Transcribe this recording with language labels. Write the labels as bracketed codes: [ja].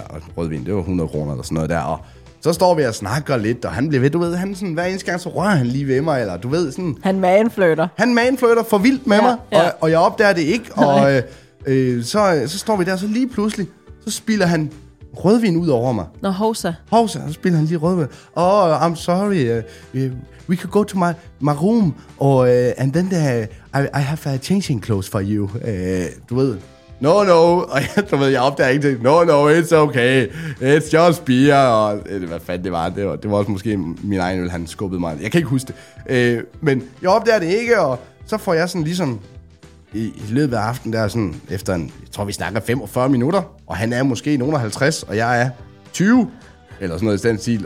[da] Og rødvin, det var 100 kroner eller sådan noget der. Og så står vi og snakker lidt, og han bliver ved, du ved, han sådan, hver eneste gang, så rører han lige ved mig, eller du ved sådan... Han manfløter. Han manfløter for vildt med mig, og jeg opdager det ikke, og så står vi der, så lige pludselig, så spilder han rødvin ud over mig. Nå, hovsa. Hovsa, så spilder han lige rødvin. [en] Oh, I'm sorry, we could go to my room, and then I have a changing clothes for you, [da] du ved... [en] No, [da] og jeg opdager ikke det. [en] No, it's okay. It's just beer. [da] Og, hvad fanden det var? Det var også måske min egen øl, han skubbede mig. Jeg kan ikke huske det. Men jeg opdager det ikke, og så får jeg sådan ligesom... i løbet af aftenen, der er sådan, efter en, jeg tror, vi snakker 45 minutter, og han er måske nogen af 50, og jeg er 20, eller sådan noget i stand til.